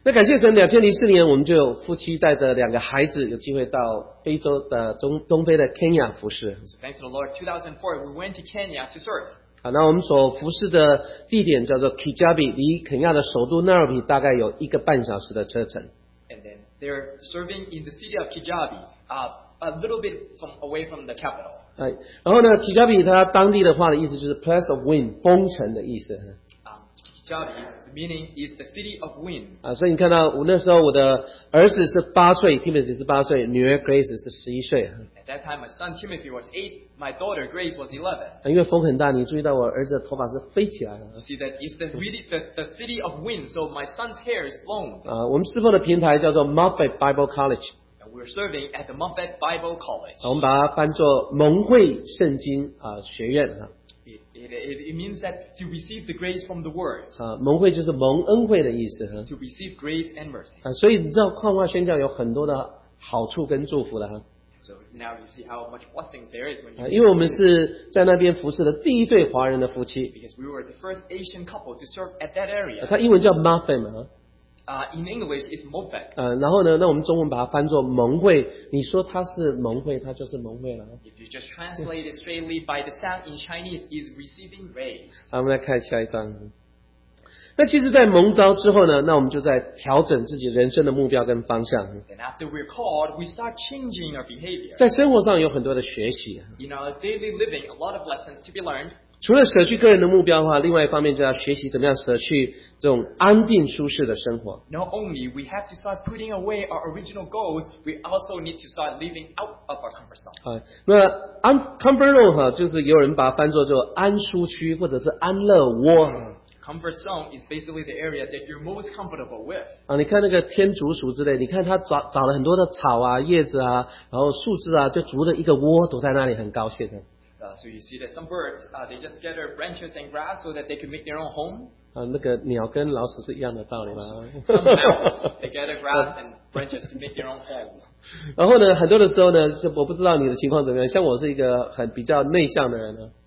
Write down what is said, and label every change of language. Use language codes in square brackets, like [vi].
[zh] 那感谢神，2004年我们就夫妻带着两个孩子有机会到非洲的东非的 Kenya 服侍。 [en] So thanks to the Lord, 2004 we went to Kenya to serve. [zh] 那我们所服侍的地点叫做 Kijabi, 离肯亚的首都纳尔比大概有一个半小时的车程。 [en] And then they're serving in the city of Kijabi, a little bit from away from the capital. [zh] 然后呢 ，Kijabi 它当地的话的意思就是 [en] place of wind, [zh] 风城的意思。 [en] Kijabi. Meaning is the city of wind. [zh] 所以你看到我那时候我的儿子是八岁 ，Timothy 是八岁，女儿 Grace 是十一岁。 [en] At that time, my son Timothy was 8, my daughter Grace was 11. [zh] 因为风很大，你注意到我儿子的头发是飞起来了。 [en] See that is the city of wind, so my son's hair is blown. [zh] 我们侍奉的平台叫做 Moffat Bible College. [en] And we're serving at the Moffat Bible College. [zh] 我们把它翻作蒙会圣经学院 [en] It means that to receive the grace from the word. [zh] 蒙会就是蒙恩惠的意思。 [en] To receive grace and mercy. [zh] 所以你知道矿化宣教有很多的好处跟祝福了。 [en] So now you see how much blessings there is when you. [zh] 因为我们是在那边服侍的第一对华人的夫妻。 [en] Because we were the first Asian couple to serve at that area. [zh] 它英文叫 Moffat 嘛。 [en] In English, it's Moffat. [zh] 然后呢，那我们中文把它翻作蒙会。你说它是蒙会，它就是蒙会了。 [en] If you just translate it straightly by the sound in Chinese, is receiving grace. [zh] 我们来看下一章。那其实在蒙召之后呢，那我们就在调整自己人生的目标跟方向。 [en] And after we're called, we start changing our behavior. [zh] 在生活上有很多的学习。 [en] In our daily living, a lot of lessons to be learned. [zh] 除了舍去个人的目标的话，另外一方面就要学习怎么样舍去这种安定舒适的生活。 [en] Not only we have to start putting away our original goals, we also need to start living out of our comfort zone. [zh] 那 comfort zone 就是有人把它翻作做安舒区或者是安乐窝。 [en] Comfort zone is basically the area that you're most comfortable with. [zh] 你看那个天竺鼠之类，你看它找了很多的草啊、叶子啊、然后树枝啊，就筑了一个窝，躲在那里，很高兴的。 [en] So you see that some birds, they just gather branches and grass so that they can make their own home. [zh] 那个鸟跟老鼠是一样的道理吗？ [en] Some mammals, they gather grass and branches to make their own home. [zh] 然后呢，很多的时候呢，就我不知道你的情况怎么样。像我是一个很比较内向的人呢。